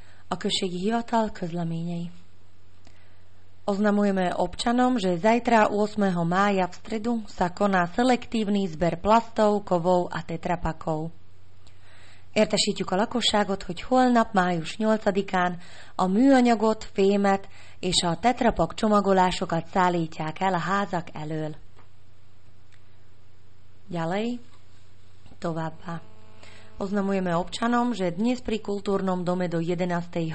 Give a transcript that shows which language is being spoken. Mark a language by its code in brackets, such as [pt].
[hu] Okršiek Hivatal, Közleményei. [sk] Oznamujeme občanom, že zajtra 8. mája v stredu sa koná selektívny zber plastov, kovov a tetrapakov. [hu] Értesítjük a lakosságot, hogy holnap május 8-án a műanyagot, fémet és a tetrapak csomagolásokat szállítják el a házak elől. [sk] Ďalej, továbbá. Oznamujeme občanom, že dnes pri kultúrnom dome do 11.